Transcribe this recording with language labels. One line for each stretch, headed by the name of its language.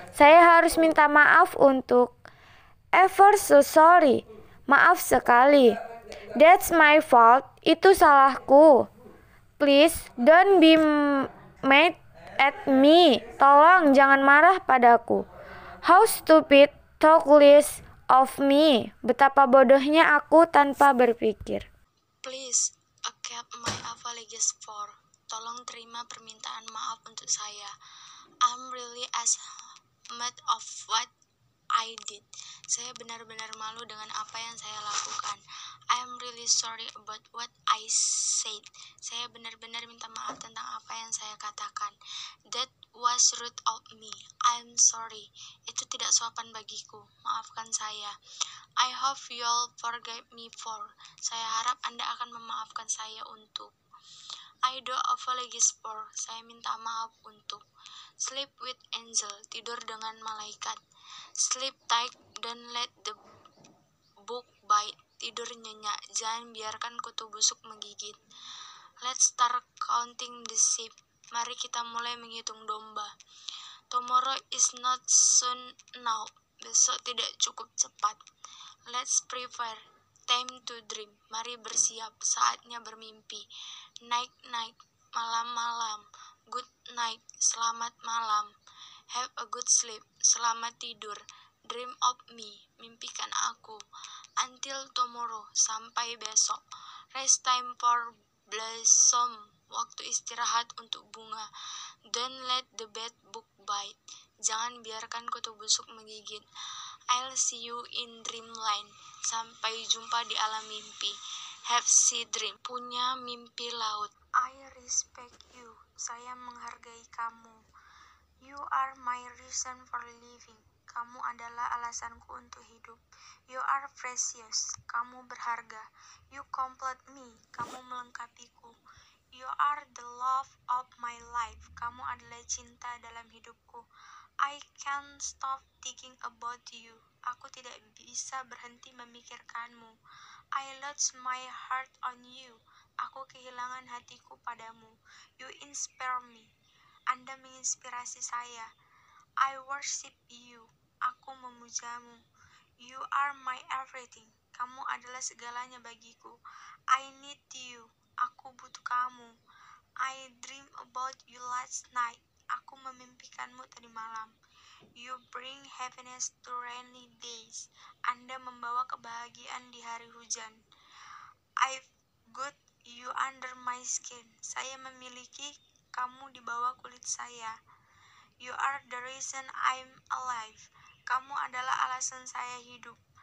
Indonesian: Saya harus minta maaf untuk.
English: Ever so sorry.
Indonesian: Maaf sekali.
English: That's my fault.
Indonesian: Itu salahku.
English: Please don't be mad at me.
Indonesian: Tolong jangan marah padaku.
English: How stupid, thoughtless of me.
Indonesian: Betapa bodohnya aku tanpa berpikir.
English: Please accept my apologies for.
Indonesian: Tolong terima permintaan maaf untuk saya.
English: I'm really as mad of what I did.
Indonesian: Saya benar-benar malu dengan apa yang saya lakukan.
English: I'm really sorry about what I said.
Indonesian: Saya benar-benar minta maaf tentang apa yang saya katakan.
English: That was rude of me. I'm sorry.
Indonesian: Itu tidak sopan bagiku. Maafkan saya.
English: I hope you'll forgive me for.
Indonesian: Saya harap Anda akan memaafkan saya untuk.
English: I do apologize for.
Indonesian: Saya minta maaf untuk.
English: Sleep with angel.
Indonesian: Tidur dengan malaikat.
English: Sleep tight, don't let the book bite.
Indonesian: Tidur nyenyak, jangan biarkan kutu busuk menggigit.
English: Let's start counting the sheep.
Indonesian: Mari kita mulai menghitung domba.
English: Tomorrow is not soon now.
Indonesian: Besok tidak cukup cepat.
English: Let's prepare. Time to dream.
Indonesian: Mari bersiap, saatnya bermimpi.
English: Night night,
Indonesian: malam-malam.
English: Good night,
Indonesian: selamat malam.
English: Have a good sleep,
Indonesian: selamat tidur.
English: Dream of me,
Indonesian: mimpikan aku.
English: Until tomorrow,
Indonesian: sampai besok.
English: Rest time for blossom,
Indonesian: waktu istirahat untuk bunga.
English: Don't let the bad book bite.
Indonesian: Jangan biarkan kutu busuk menggigit.
English: I'll see you in dreamland.
Indonesian: Sampai jumpa di alam mimpi.
English: Have sea dream,
Indonesian: punya mimpi laut.
English: I respect you,
Indonesian: saya menghargai kamu.
English: You are my reason for living.
Indonesian: Kamu adalah alasanku untuk hidup.
English: You are precious.
Indonesian: Kamu berharga.
English: You complete me.
Indonesian: Kamu melengkapiku.
English: You are the love of my life.
Indonesian: Kamu adalah cinta dalam hidupku.
English: I can't stop thinking about you.
Indonesian: Aku tidak bisa berhenti memikirkanmu.
English: I lost my heart on you.
Indonesian: Aku kehilangan hatiku padamu.
English: You inspire me.
Indonesian: Anda menginspirasi saya.
English: I worship you.
Indonesian: Aku memujamu.
English: You are my everything.
Indonesian: Kamu adalah segalanya bagiku.
English: I need you.
Indonesian: Aku butuh kamu.
English: I dream about you last night.
Indonesian: Aku memimpikanmu tadi malam.
English: You bring happiness to rainy days.
Indonesian: Anda membawa kebahagiaan di hari hujan.
English: I've got you under my skin.
Indonesian: Saya memiliki kamu di bawah kulit saya.
English: You are the reason I'm alive.
Indonesian: Kamu adalah alasan saya hidup.